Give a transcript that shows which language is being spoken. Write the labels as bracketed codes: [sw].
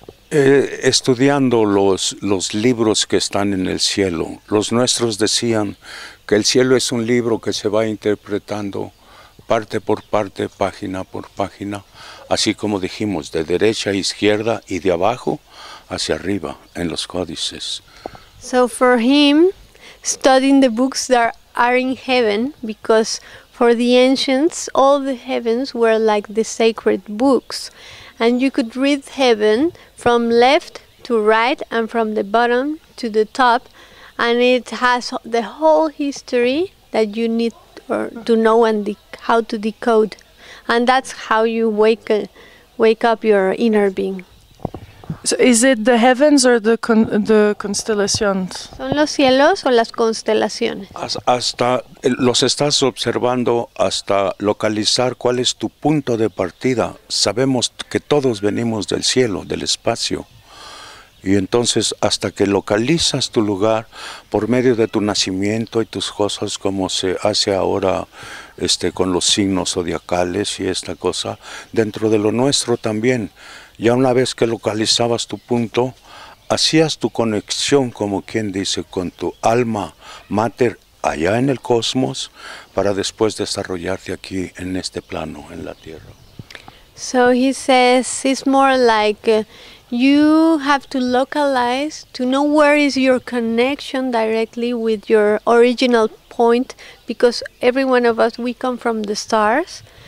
[es] Estudiando los libros que están en el cielo. Los nuestros decían que el cielo es un libro que se va interpretando parte por parte, página por página, así como dijimos, de derecha a izquierda y de abajo hacia arriba en los códices. [en] So for him, studying the books that are in heaven, because for the ancients, all the heavens were like the sacred books, and you could read heaven from left to right and from the bottom to the top, and it has the whole history that you need to know and how to decode, and that's how you wake up your inner being. So is it the heavens or the constellations? [es] Son los cielos o las constelaciones. Hasta los estás observando hasta localizar cuál es tu punto de partida. Sabemos que todos venimos del cielo, del espacio. Y entonces hasta que localizas tu lugar por medio de tu nacimiento y tus cosas como se hace ahora con los signos zodiacales y esta cosa, dentro de lo nuestro también. Ya una vez que localizabas tu punto, hacías tu conexión, como quien dice, con tu alma mater allá en el cosmos, para después desarrollarte aquí en este plano, en la Tierra. [en] So he says it's more like you have to localize to know where is your connection directly with your original point, because every one of us, we come from the stars.